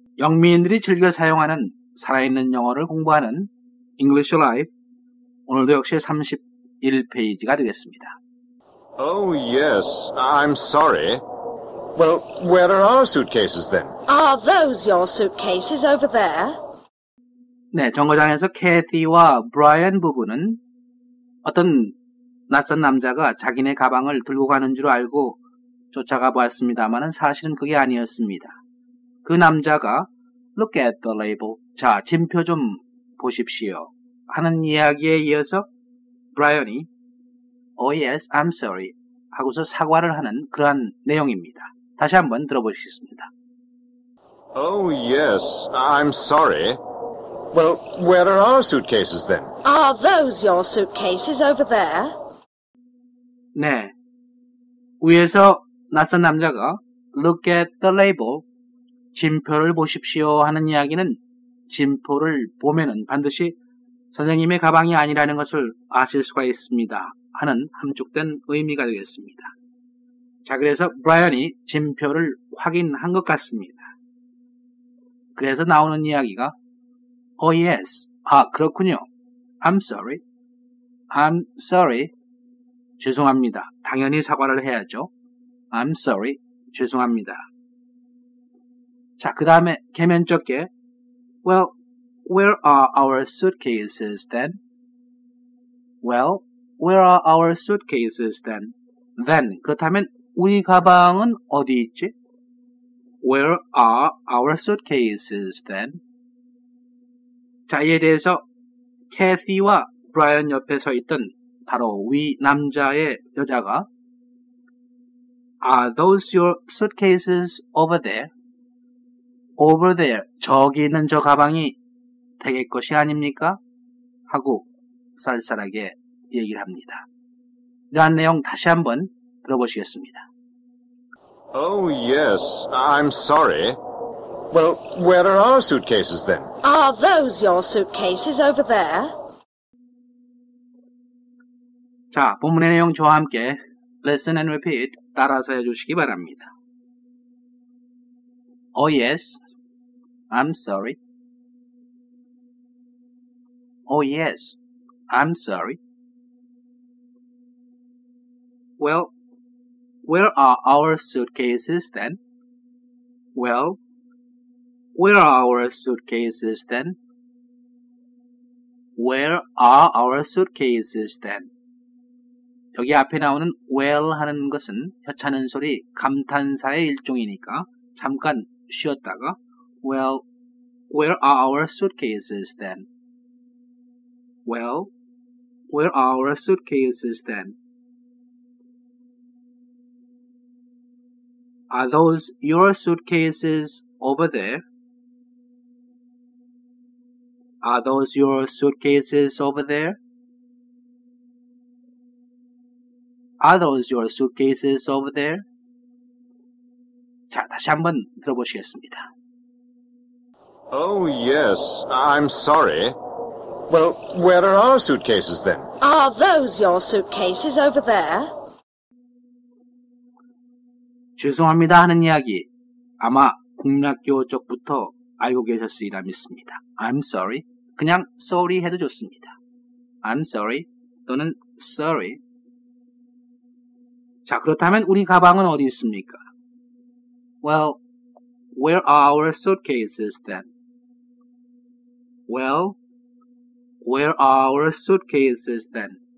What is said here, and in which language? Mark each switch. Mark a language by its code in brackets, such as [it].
[ko] 영미인들이 즐겨 사용하는 살아있는 영어를 공부하는 English Life, 오늘도 역시 31페이지가 되겠습니다. [en] Oh yes, I'm sorry. Well, where are our suitcases then? Are those your suitcases over there? [ko] 네, 정거장에서 캐티와 브라이언 부부는 어떤 낯선 남자가 자기네 가방을 들고 가는 줄 알고 쫓아가 보았습니다만 사실은 그게 아니었습니다. 그 남자가 [en] Look at the label. [ko] 자, 진표 좀 보십시오. 하는 이야기에 이어서 브라이언이 [en] Oh yes, I'm sorry. [ko] 하고서 사과를 하는 그러한 내용입니다. 다시 한번 들어보시겠습니다. [en] Oh yes, I'm sorry. Well, where are our suitcases then? Are those your suitcases over there? [ko] 네. 위에서 낯선 남자가 [en] Look at the label. [ko] 진표를 보십시오 하는 이야기는 진표를 보면은 반드시 선생님의 가방이 아니라는 것을 아실 수가 있습니다 하는 함축된 의미가 되겠습니다. 자, 그래서 브라이언이 진표를 확인한 것 같습니다. 그래서 나오는 이야기가 [en] Oh yes. [ko] 아, 그렇군요. [en] I'm sorry. I'm sorry. [ko] 죄송합니다. 당연히 사과를 해야죠. [en] I'm sorry. [ko] 죄송합니다. 자, 그 다음에 개면적게 [en] Well, where are our suitcases then? Well, where are our suitcases then? [ko] Then, 그렇다면 우리 가방은 어디 있지? [en] Where are our suitcases then? [ko] 자, 이에 대해서 캐티와 브라이언 옆에 서 있던 바로 위 남자의 여자가 [en] Are those your suitcases over there? Over there, [ko] 저기 있는 저 가방이 되겠 것이 아닙니까? 하고 쌀쌀하게 얘기를 합니다. 이러한 내용 다시 한번 들어보시겠습니다. [en] Oh yes, I'm sorry. Well, where are our suitcases then? Are those your suitcases over there? [ko] 자, 본문의 내용 저와 함께 [en] Listen and repeat, [ko] 따라서 해주시기 바랍니다. [en] Oh yes, I'm sorry. Oh yes, I'm sorry. Well, where are our suitcases then? Well, where are our suitcases then? Where are our suitcases then? [ko] 여기 앞에 나오는 well 하는 것은 협찬은 소리 감탄사의 일종이니까 잠깐 쉬었다가 [en] Well, where are our suitcases then? Well, where are our suitcases then? Are those your suitcases over there? Are those your suitcases over there? Are those your suitcases over there? [ko] 자, 다시 한번 들어보시겠습니다. [en] Oh, yes. I'm sorry. Well, where are our suitcases then? Are those your suitcases over there? [ko] 죄송합니다 하는 이야기 아마 국민학교 쪽부터 알고 계셨으리라 믿습니다. [en] I'm sorry. [ko] 그냥 sorry 해도 좋습니다. [en] I'm sorry 또는 sorry. [ko] 자, 그렇다면 우리 가방은 어디 있습니까? [en] Well, where are our suitcases then? Well, where are our suitcases then?